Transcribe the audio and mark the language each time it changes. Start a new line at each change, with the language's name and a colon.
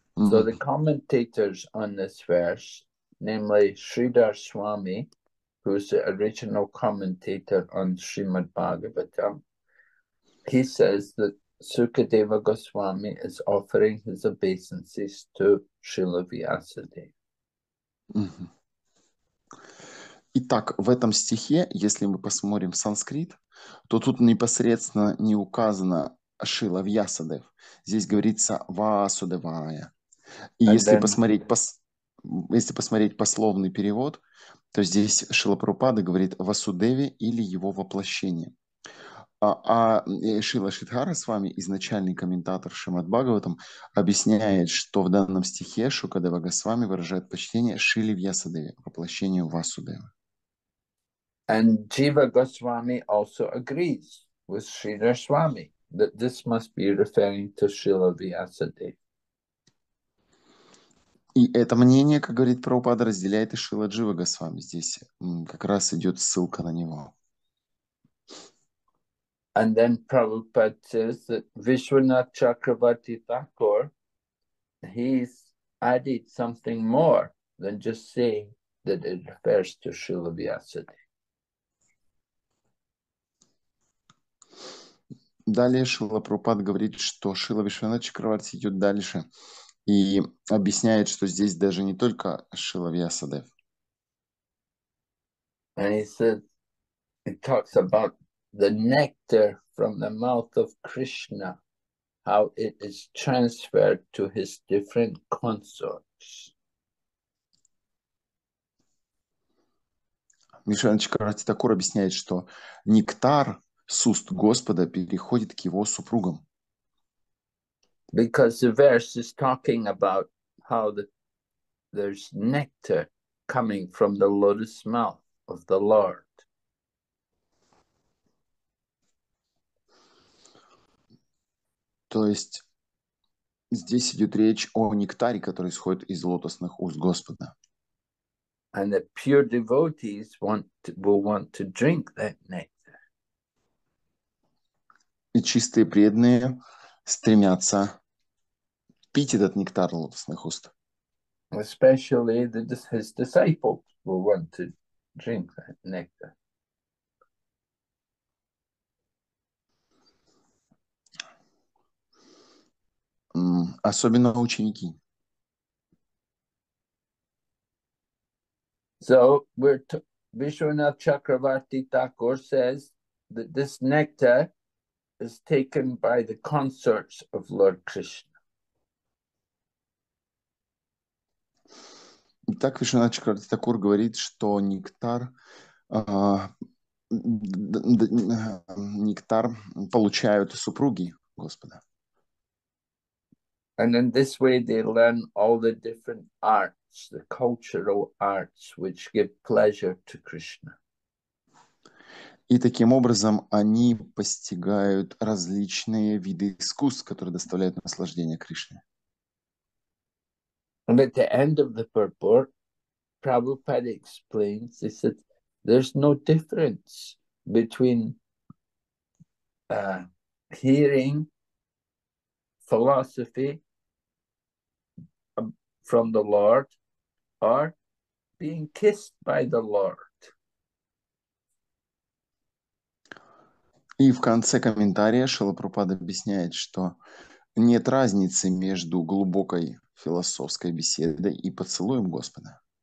English: So the commentators on this verse, namely Sridhar Swami, who is the original commentator on Srimad Bhagavatam, he says that Sukadeva Goswami is offering his obeisances to Srila Vyasadeva.
Russian: Итак, в этом стихе, если мы посмотрим санскрит, то тут непосредственно не указано Шрила Вьясадев. Здесь говорится Васудевая. И если посмотреть пословный перевод, то здесь Шрила Прабхупада говорит Васудеве или его воплощение. Шрила Шридхара с вами, изначальный комментатор Шримад-Бхагаватам, объясняет, что в данном стихе Шукадева Госвами выражает почтение Шили Вьясадеве, воплощению Васудева.
English: And Jiva Goswami also agrees with Sridhar Swami that this must be referring to Srila Vyasadeva.
Russian: И это мнение, как говорит Прабхупада, разделяет и Шрила Джива Госвами. Здесь как раз идет ссылка на него.
English: And then Prabhupada says that Vishwanath Chakravarti Thakur, he's added something more than just saying that it refers to Srila Vyasadeva.
Russian: Далее Шрила Прабхупада говорит, что Шрила Вишванатха Чакраварти идет дальше и объясняет, что здесь даже не только Шрила Вьясадев.
English: And he says, he talks about the nectar from the mouth of Krishna, how it is transferred to his different consorts.
Russian: Вишванатха Чакраварти Такур объясняет, что нектар с уст Господа переходит к его супругам.
English: Because the verse is talking about how there's nectar coming from the lotus mouth of the Lord.
Russian: То есть здесь идет речь о нектаре, который исходит из лотосных уст Господа.
English: And the pure devotees will want to drink that nectar.
Russian: И чистые преданные стремятся пить этот нектар лотосных уст.
English: Especially that his disciples will want to drink that nectar.
Russian: Особенно ученики.
English: So we're Vishwanath Chakravarti Thakur says that this nectar is taken by the consorts of Lord Krishna.
Russian: Итак, Вишванатха Чакраварти Такур говорит, что нектар получают супруги Господа.
English: And in this way they learn all the different arts, the cultural arts, which give pleasure to Krishna.
Russian: И таким образом они постигают различные виды искусств, которые доставляют наслаждение Кришне.
English: And at the end of the purport, Prabhupada explains, he said, there's no difference between hearing philosophy from the Lord or being kissed by the Lord.
Russian: И в конце комментария Шрила Прабхупада объясняет, что нет разницы между глубокой философской беседой и поцелуем Господа.